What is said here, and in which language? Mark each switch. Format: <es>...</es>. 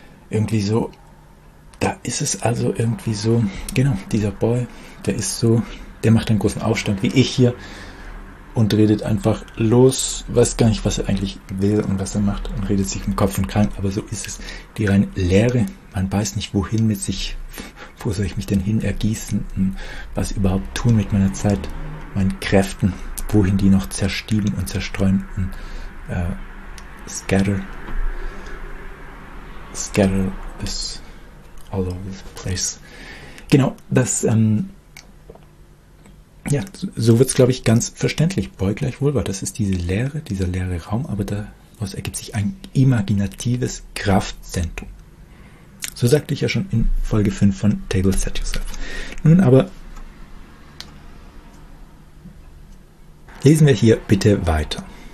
<de>Irgendwie so, da ist es also irgendwie so, genau, dieser Boy, der ist so, der macht einen großen Aufstand wie ich hier und redet einfach los, weiß gar nicht, was er eigentlich will und was er macht und redet sich im Kopf und Kragen, aber so ist es, die reine Leere, man weiß nicht, wohin mit sich, wo soll ich mich denn hin ergießen, was überhaupt tun mit meiner Zeit, meinen Kräften, wohin die noch zerstieben und zerstreuen scatter.</de> <en>Scatter is all over the place.</en> <de>Genau, das, ja, so wird es, glaube ich, ganz verständlich. Boy gleich Vulva, das ist diese Leere, dieser leere Raum, aber daraus ergibt sich ein imaginatives Kraftzentrum. So sagte ich ja schon in Folge 5 von Table Set Yourself. Nun aber, lesen wir hier bitte weiter.</de>